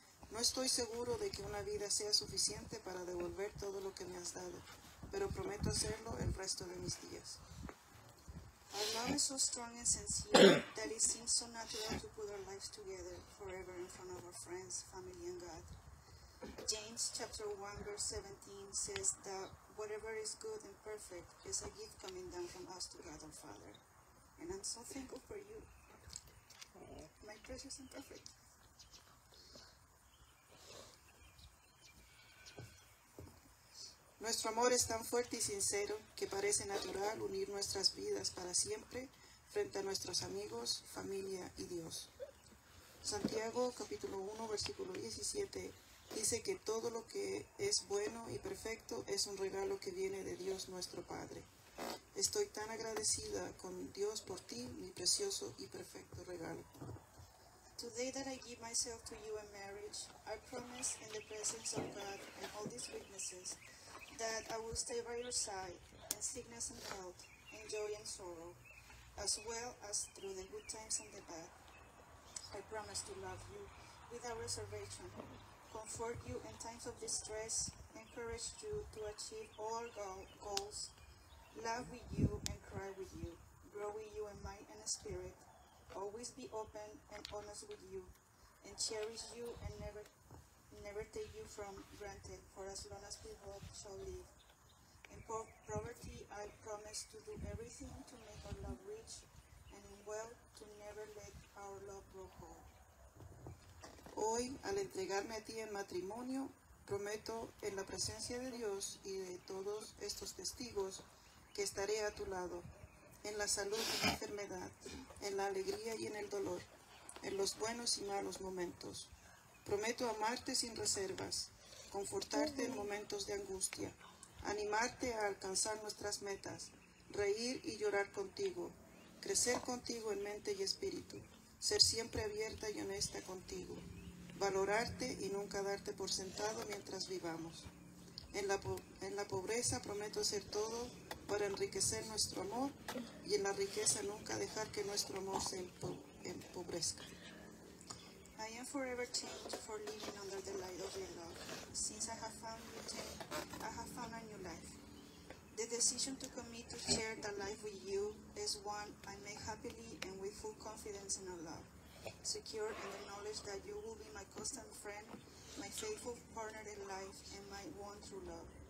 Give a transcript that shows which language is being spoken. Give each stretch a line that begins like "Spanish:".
Spanish: No estoy seguro de que una vida sea suficiente para devolver todo lo que me has dado, pero prometo hacerlo el resto de mis días.
English: Our love is so strong and sincere that it seems so natural to put our lives together forever in front of our friends, family, and God. James chapter 1, verse 17 says that whatever is good and perfect is a gift coming down from us to God our Father. And I'm so thankful for you, my precious and perfect.
Spanish: Nuestro amor es tan fuerte y sincero que parece natural unir nuestras vidas para siempre frente a nuestros amigos, familia y Dios. Santiago capítulo 1, versículo 17 dice que todo lo que es bueno y perfecto es un regalo que viene de Dios nuestro Padre. Estoy tan agradecida con Dios por ti, mi precioso y perfecto regalo.
English: Today that I give myself to you in marriage, I promise in the presence of God and all these witnesses that I will stay by your side in sickness and health, in joy and sorrow, as well as through the good times and the bad. I promise to love you without reservation. Comfort you in times of distress, encourage you to achieve all goals, love with you and cry with you, grow with you in mind and spirit, always be open and honest with you, and cherish you and never take you from granted, for as long as we both shall live. In poverty, I promise to do everything to make our love rich, and in wealth, to never let our love grow cold.
Spanish: Hoy, al entregarme a ti en matrimonio, prometo en la presencia de Dios y de todos estos testigos que estaré a tu lado, en la salud y la enfermedad, en la alegría y en el dolor, en los buenos y malos momentos. Prometo amarte sin reservas, confortarte en momentos de angustia, animarte a alcanzar nuestras metas, reír y llorar contigo, crecer contigo en mente y espíritu, ser siempre abierta y honesta contigo. Valorarte y nunca darte por sentado mientras vivamos. En la pobreza prometo hacer todo para enriquecer nuestro amor y en la riqueza nunca dejar que nuestro amor se empobrezca.
English: I am forever changed for living under the light of your love. Since I have found you, I have found a new life. The decision to commit to share the life with you is one I make happily and with full confidence in our love. Secure in the knowledge that you will be my constant friend, my faithful partner in life, and my one true love.